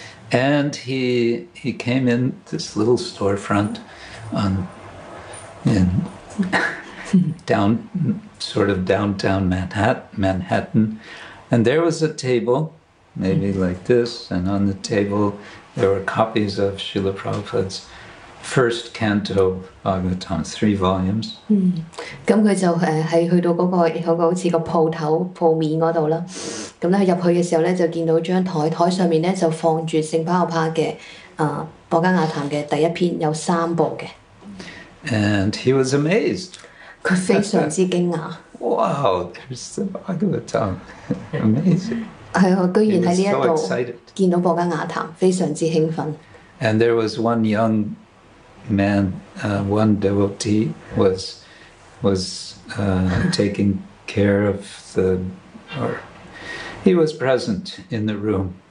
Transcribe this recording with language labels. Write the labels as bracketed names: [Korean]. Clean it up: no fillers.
[English] And he came in this little storefront on in down sort of downtown Manhattan, and there was a table maybe like this, and on the table there were copies of Srila Prabhupada's first canto Bhagavatam, 3 volumes. [Cantonese] 咁佢就係去到嗰個好似個鋪頭鋪面嗰度啦。咁咧入去嘅時候咧，就見到張台上面咧就放住聖巴巴嘅博加瓦潭嘅第一篇，有三部嘅。 [English] And he was amazed. [Cantonese] 佢非常之驚訝。 [English] Wow, there's the Bhagavatam. Amazing. [Cantonese] 係啊，居然喺呢一度見到博加瓦潭，非常之興奮。 [English] And there was one young man, one devotee was taking care of the, or He was present in the room.